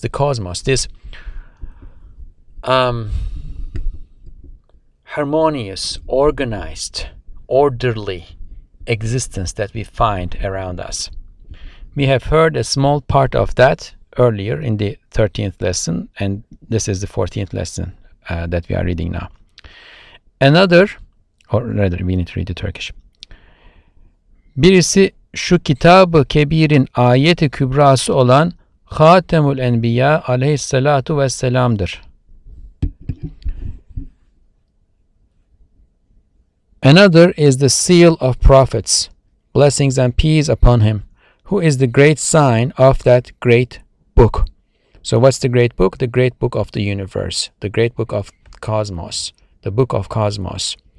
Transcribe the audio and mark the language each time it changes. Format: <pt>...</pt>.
<en>The cosmos, this harmonious, organized, orderly existence that we find around us. We have heard a small part of that earlier in the 13th lesson, and this is the 14th lesson that we are reading now. Another, or rather, we need to read the Turkish.</en> <tr>Birisi şu kitabı kebirin ayeti kübrası olan Hatemul Enbiya aleyhissalatu vesselam'dır.</tr> <en>Another is the seal of prophets, blessings and peace upon him, who is the great sign of that great book. So what's the great book? The great book of the universe, the great book of cosmos, the book of cosmos.</en>